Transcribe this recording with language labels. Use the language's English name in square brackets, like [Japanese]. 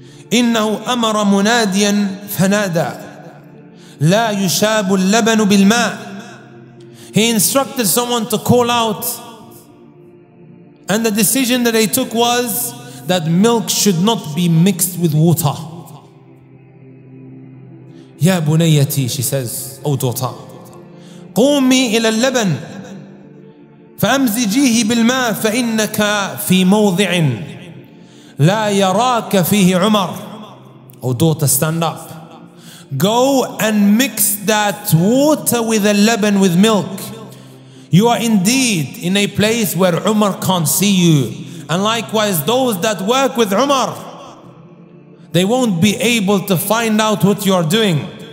[Arabic] إِنَّهُ أَمَرَ مُنَادِيًا فَنَادَى لَا يُشَابُ اللَّبَنُ بِالْمَاءِ. [English] He instructed someone to call out, and the decision that they took was that milk should not be mixed with water. [Arabic] Ya bunayyati, [English] she says, O daughter, [Arabic] قومي إلى اللبن فأمزجيه بالماء فإنك في موضع لا يراك فيه عمر. [English] O daughter, stand up. Go and mix that water with the leban, with milk. You are indeed in a place where Umar can't see you. And likewise, those that work with Umar, they won't be able to find out what you are doing.